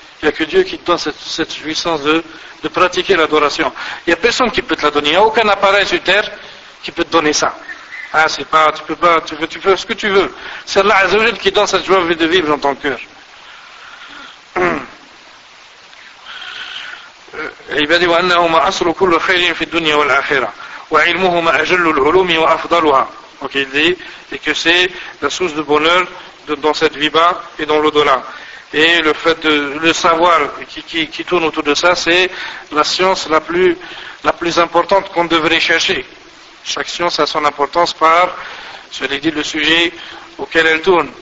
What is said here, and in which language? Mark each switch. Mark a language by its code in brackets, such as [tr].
[fr] Il n'y a que Dieu qui te donne cette jouissance de pratiquer l'adoration. Il n'y a personne qui peut te la donner. Il n'y a aucun appareil sur terre qui peut te donner ça. Ah, c'est pas, tu peux pas, tu peux ce que tu veux. C'est Allah Azza wa Jal qui donne cette joie de vivre dans ton cœur. [ar] عبادي وأنهما أصل كل خير في الدنيا والآخرة وعلمهما أجل العلوم وأفضلها. [fr] Ok, il dit, et que c'est la source de bonheur dans cette vie-bas et dans l'au-delà. Et le fait de le savoir qui tourne autour de ça, c'est la science la plus importante qu'on devrait chercher. Chaque science a son importance par, je l'ai dit, le sujet auquel elle tourne.